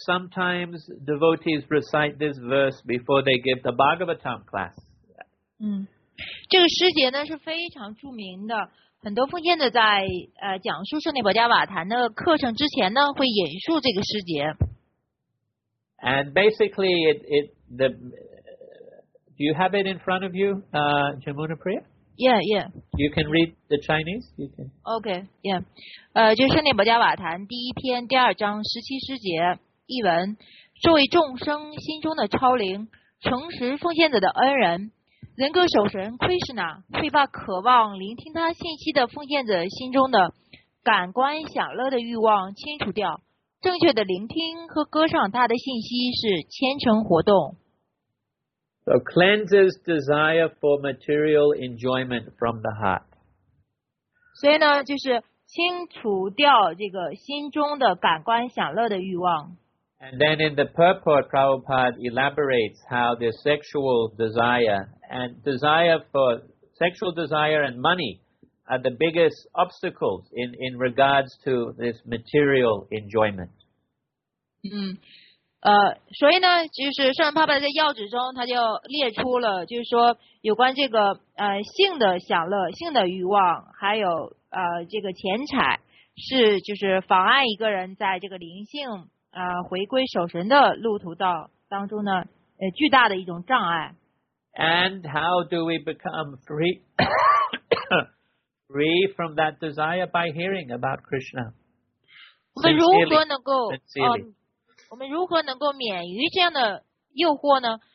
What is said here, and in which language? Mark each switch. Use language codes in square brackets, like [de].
[en] Sometimes devotees recite this verse before they give the Bhagavatam class. [zh] 这个诗节呢是非常著名的，很多奉献者在讲述圣涅薄伽瓦坛的课程之前呢会引述这个诗节。 [en] And basically, do you have it in front of you, Jamuna Priya? Yeah, yeah. You can read the Chinese. You can. Okay, yeah. [zh] 就是《圣涅薄伽瓦坛》第一篇第二章十七诗节译文。作为众生心中的超灵，诚实奉献者的恩人，人格守神 Krishna 会把渴望聆听他信息的奉献者心中的感官享乐的欲望清除掉。正确的聆听和歌唱他的信息是虔诚活动。 [en] So cleanses desire for material enjoyment from the heart. [zh] 所以呢，就是清除掉这个心中的感官享乐的欲望。 [en] And then in the purport, Prabhupada elaborates how this sexual desire and desire for sexual desire and money are the biggest obstacles in regards to this material enjoyment. [zh] 所以呢，就是圣人帕巴在要旨中，他就列出了，就是说有关这个性的享乐、性的欲望，还有这个钱财，是就是妨碍一个人在这个灵性回归守神的路途道当中呢，巨大的一种障碍。 [en] And how do we become free free from that desire by hearing about Krishna? [zh] 我们如何能够？我们如何能够免于这样的诱惑呢？